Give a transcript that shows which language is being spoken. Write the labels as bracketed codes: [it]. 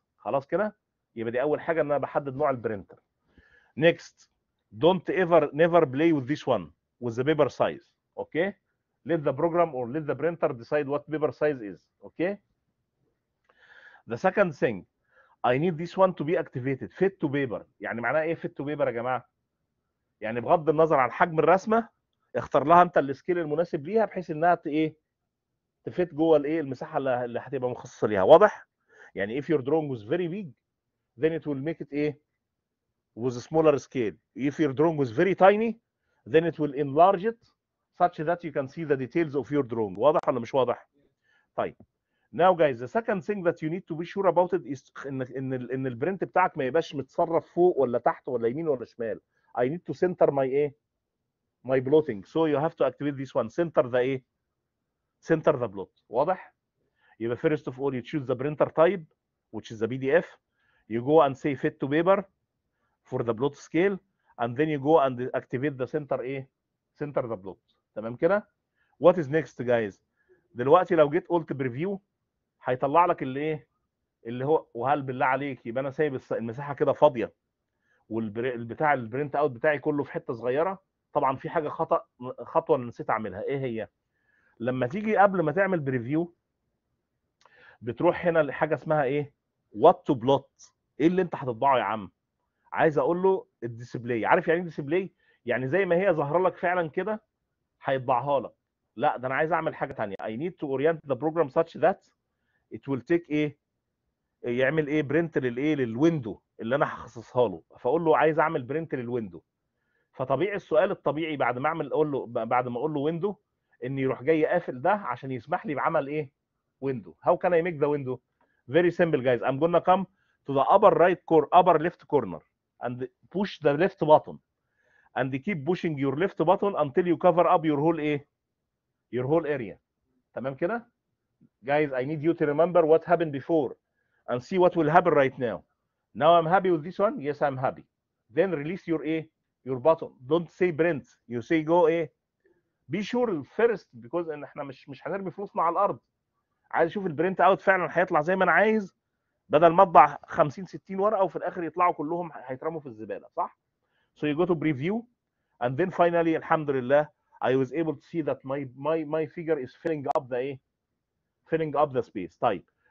[ar] خلاص كده، يبقى دي اول حاجه ان انا بحدد نوع البرينتر. [en] next don't ever never play with this one with the paper size. okay let the program or let the printer decide what paper size is. okay the second thing I need this one to be activated fit to paper. [ar] يعني معناها ايه fit to paper يا جماعه؟ يعني بغض النظر عن حجم الرسمه اختار لها انت السكيل المناسب ليها بحيث انها تفيت جوه الايه المساحه اللي هتبقى مخصصه ليها. واضح؟ يعني [en] if your drawing was very big then it will make it with a smaller scale. if your drawing was very tiny then it will enlarge it such that you can see the details of your drawing. [ar] واضح ولا مش واضح؟ طيب [en] now guys the second thing that you need to be sure about it is [ar] ان البرنت بتاعك ما يبقاش متصرف فوق ولا تحت ولا يمين ولا شمال. [en] I need to center my my plotting. so you have to activate this one, center the center the plot. [ar] واضح؟ يبقى [en] first of all you choose the printer type which is the PDF. you go and say fit to paper for the plot scale and then you go and activate the center center the plot. [ar] تمام كده؟ [en] what is next guys؟ [ar] دلوقتي لو جيت قلت بريفيو هيطلع لك اللي هو، وهل بالله عليك يبقى انا سايب المساحه كده فاضيه والبتاع البرنت اوت بتاعي كله في حته صغيره؟ طبعا في حاجه خطأ، خطوه انا نسيت اعملها. ايه هي؟ لما تيجي قبل ما تعمل بريفيو بتروح هنا لحاجه اسمها وات تو بلوت. ايه اللي انت هتطبعه يا عم؟ عايز اقول له الديسبلاي. عارف يعني ايه ديسبلاي؟ يعني زي ما هي ظاهره لك فعلا كده هيطبعها لك. لا ده انا عايز اعمل حاجه ثانيه. [en] I need to orient the program such that it will take [ar] يعمل برنت للويندو اللي انا هخصصها له. فاقول له عايز اعمل برنت للويندو، فطبيعي السؤال الطبيعي بعد ما اعمل اقول له بعد ما اقول له ويندو ان يروح جاي قافل ده عشان يسمح لي بعمل ويندو. [en] How can I make the window? Very simple guys, I'm gonna come to the upper right corner, upper left corner and push the left button and keep pushing your left button until you cover up your whole your whole area. [ar] تمام كده [en] guys, I need you to remember what happened before and see what will happen right now. now I'm happy with this one. yes I'm happy. then release your your button. don't say print, you say go be sure first because [ar] ان احنا مش هنرمي فلوسنا على الارض. عايز اشوف البرنت اوت فعلا هيطلع زي ما انا عايز بدل ما اطبع 50 60 ورقه وفي الاخر يطلعوا كلهم هيترموا في الزباله، صح؟ [en] so you go to preview and then finally الحمد لله I was able to see that my figure is filling up the filling up the space. [ar] طيب،